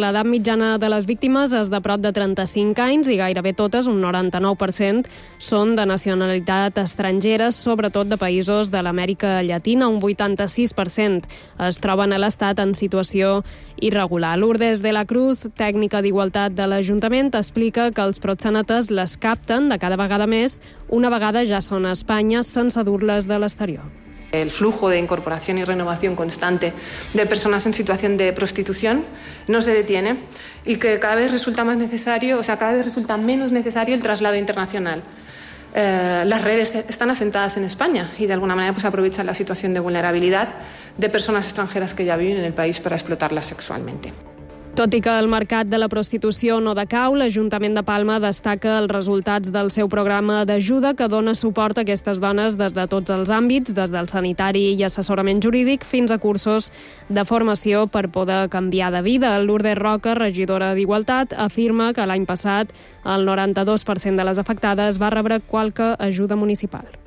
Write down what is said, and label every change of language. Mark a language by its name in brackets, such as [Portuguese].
[Catalan] L'edat mitjana de les víctimes és de prop de 35 anys i gairebé totes, un 99%, són de nacionalitat estrangera, sobretot de països de l'Amèrica Llatina. Un 86% es troben a l'estat en situació irregular. Lourdes de la Cruz, tècnica d'igualtat de l'Ajuntament, explica que els proxenetes les capten de cada vegada més, una vegada ja són a Espanya, sense dur-les de l'exterior. [Spanish] El flujo de incorporación y renovación constante de personas en situación de prostitución no se detiene y que cada vez resulta más necesario, o sea, cada vez resulta menos necesario el traslado internacional. Las redes están asentadas en España y de alguna manera pues aprovechan la situación de vulnerabilidad de personas extranjeras que ya viven en el país para explotarlas sexualmente. [Catalan] Tot i que el mercat de la prostitució no decau, l'Ajuntament de Palma destaca els resultats del seu programa d'ajuda que dona suport a aquestes dones des de tots els àmbits, des del sanitari i assessorament jurídic fins a cursos de formació per poder canviar de vida. Lourdes Roca, regidora d'Igualtat, afirma que l'any passat el 92% de les afectades va rebre qualque ajuda municipal.